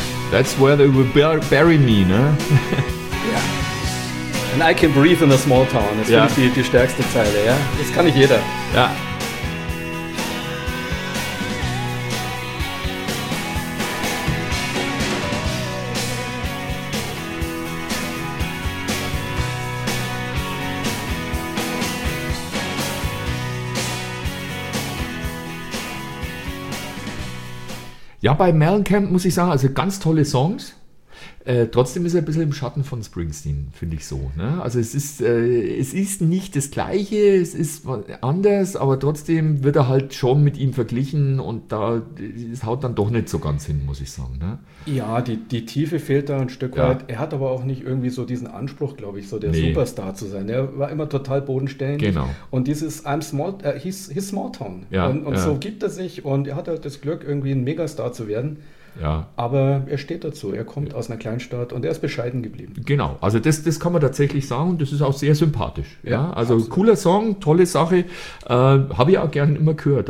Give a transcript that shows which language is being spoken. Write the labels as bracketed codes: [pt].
[en] That's where they will bury me, ne? And I can breathe in a small town. [de] Das finde ich die stärkste Zeile, ja? Das kann nicht jeder. Ja. Ja, bei Mellencamp muss ich sagen, also ganz tolle Songs. Trotzdem ist er ein bisschen im Schatten von Springsteen, finde ich so. Ne? Also es ist nicht das Gleiche, es ist anders, aber trotzdem wird er halt schon mit ihm verglichen und da es haut dann doch nicht so ganz hin, muss ich sagen. Ne? Ja, die Tiefe fehlt da ein Stück weit. Er hat aber auch nicht irgendwie so diesen Anspruch, glaube ich, so der Superstar zu sein. Er war immer total bodenständig. Genau. Und dieses [en] I'm small, he's small town. [de] Ja, und so gibt er sich und er hat halt das Glück, irgendwie ein Megastar zu werden. Ja. Aber er steht dazu, er kommt aus einer Kleinstadt und er ist bescheiden geblieben. Genau, also das kann man tatsächlich sagen und das ist auch sehr sympathisch. Ja, also absolut. Cooler Song, tolle Sache, habe ich auch gerne immer gehört.